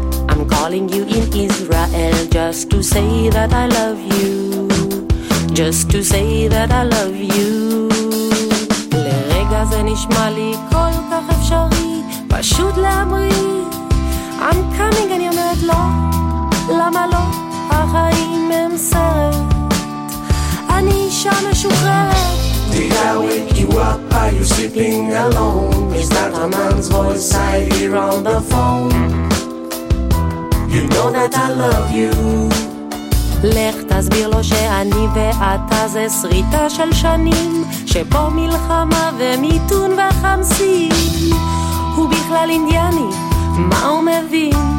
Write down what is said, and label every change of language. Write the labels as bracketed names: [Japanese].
[English] I'm calling you in Israel just to say that I love you. Just to say that I love you. [Hebrew] לרגע זה נשמע לי כל כך אפשרי, פשוט להמריא. [English] I'm coming, [Hebrew] אני אומרת לא, למה לא? החיים הם סרט, אני אישה משוחררת. [English] Did I wake you up? Are you sleeping alone? Is that a man's voice I hear on the phone? You know that I love you. [Hebrew] לך תסביר לו שאני ואתה זה שריטה של שנים, שפה מלחמה ומיתון וחמסים. הוא בכלל אינדיאני, מה הוא מבין?